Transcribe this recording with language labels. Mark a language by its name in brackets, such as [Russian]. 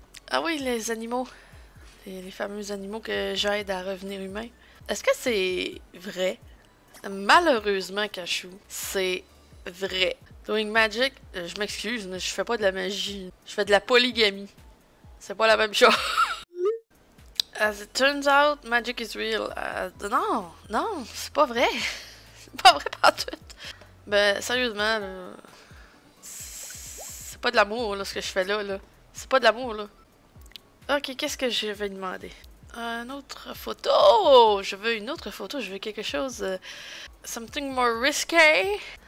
[French] Ah oui, les animaux. Les fameux animaux que j'aide à revenir humain. Est-ce que c'est vrai? Malheureusement, Cachou, c'est vrai. [English] Doing magic, [French] je m'excuse, mais je fais pas de la magie. Je fais de la polygamie. C'est pas la même chose. [English] As it turns out, magic is real. [French] Non, non, c'est pas vrai. C'est pas vrai partout. Ben, sérieusement, là, c'est pas de l'amour, là, ce que je fais là. C'est pas de l'amour, là. Ok, qu'est-ce que je vais demander? Une autre photo! Je veux une autre photo, je veux quelque chose... [English] something more risqué!